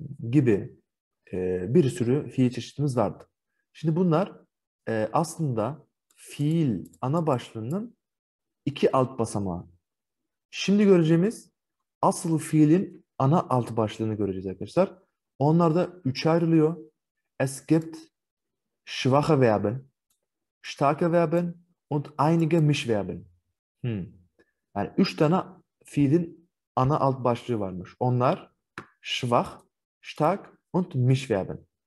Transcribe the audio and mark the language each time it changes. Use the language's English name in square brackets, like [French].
[Turkish] Gibi bir sürü fiil çeşitimiz vardı. Şimdi bunlar aslında fiil ana başlığının iki alt basamağı. Şimdi göreceğimiz asıl fiilin ana alt başlığını göreceğiz arkadaşlar. Onlar da üçe ayrılıyor. [German] Es gibt schwache Verben, starke Verben und einige Mischverben. [Turkish] Yani üç tane fiilin ana alt başlığı varmış. Onlar [German] schwach, stark und Mischverben.